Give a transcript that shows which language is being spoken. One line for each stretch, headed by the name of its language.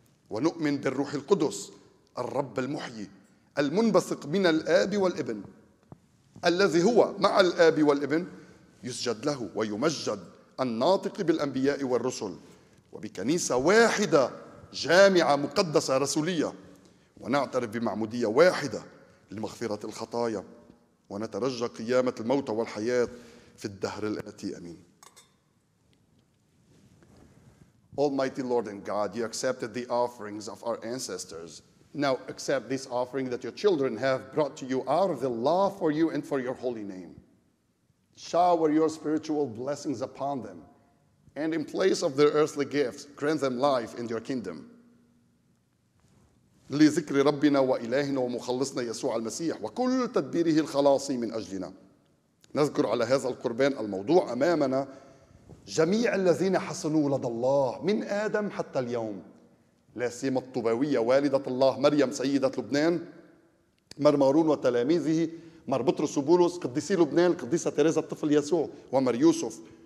Arabic: ونؤمن بالروح القدس الرب المحيي المنبثق من الآب والابن، الذي هو مع الآب والابن يسجد له ويمجد، الناطق بالأنبياء والرسل، وبكنيسة واحدة جامعة مقدسة رسولية، ونعترف بمعمودية واحدة لمغفرة الخطايا، ونترجى قيامة الموتى والحياة في الدهر الآتي. أمين.
English: Almighty Lord and God, you accepted the offerings of our ancestors. Now accept this offering that your children have brought to you out of the love for you and for your holy name. Shower your spiritual blessings upon them, and in place of their earthly gifts, grant them life in your kingdom.
Arabic: لذكر ربنا وإلهنا ومخلصنا يسوع المسيح وكل تدبيره الخلاصي من أجلنا، نذكر على هذا القربان الموضوع أمامنا جميع الذين حصنوا لدى الله من آدم حتى اليوم، لا سيما الطباوية والدة الله مريم سيدة لبنان، مرمارون وتلاميذه، مر بطرس وبولس، قديسي لبنان قديسة تيريزا الطفل يسوع ومر يوسف.